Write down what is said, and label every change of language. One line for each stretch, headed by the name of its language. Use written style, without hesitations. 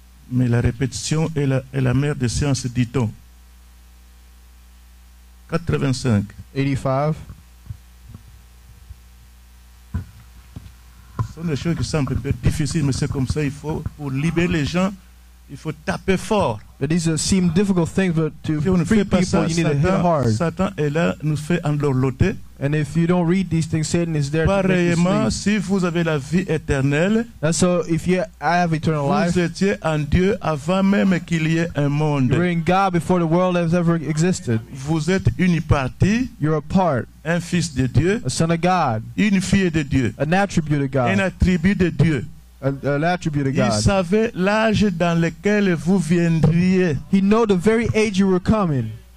French: Mais la répétition est la mère des sciences, dit-on. 85.
English: 85.
French: Une chose qui semble un peu difficile, mais c'est comme ça. Il faut, pour libérer les gens, il faut taper fort.
English: But these seem difficult things, but to free people,
French: ça,
English: you need to hit hard.
French: Satan est là, nous fait endorloter.
English: And if you don't read these things, Satan is there.
French: Pareillement, si vous avez la vie éternelle,
English: and so if you have eternal life,
French: vous étiez en Dieu avant même qu'il y ait un monde.
English: You're in God before the world has ever existed.
French: Vous êtes une partie.
English: You're a part.
French: Un fils de Dieu.
English: A son of God.
French: Une fille de Dieu.
English: An attribute of God.
French: Un attribut de Dieu.
English: An attribute of God.
French: Il savait l'âge dans lequel vous viendriez.
English: He knew the very age you were coming.